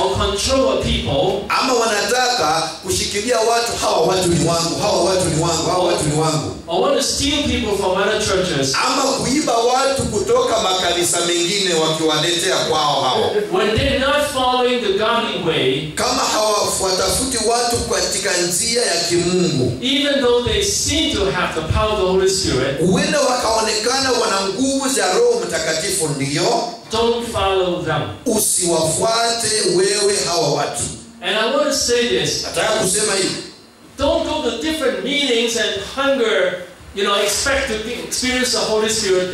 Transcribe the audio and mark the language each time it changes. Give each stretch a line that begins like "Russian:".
English: Or control of people.
Swahili: Ama wanataka kushikilia watu, hawa watu ni wangu, hawa watu ni wangu, hawa watu ni wangu.
English: Or want to steal people from other churches.
Swahili: Ama kuiba watu kutoka makanisa mengine wakiwaletea kwao hawa.
English: When they're not following the godly way.
Swahili: Kama hawafuatafuti watu katika njia ya kimungu.
English: Even though they seem to have the power of the Holy Spirit.
Swahili: Uwendo wakaonekana wana nguvu za Roho Mtakatifu ndio.
English: Don't follow them.
Swahili: Usiwafuate wewe hawa watu.
English: And I want to say this.
Swahili: Nataka kusema hivi.
English: Don't go to different meetings and hunger, you know, expect to experience the Holy Spirit.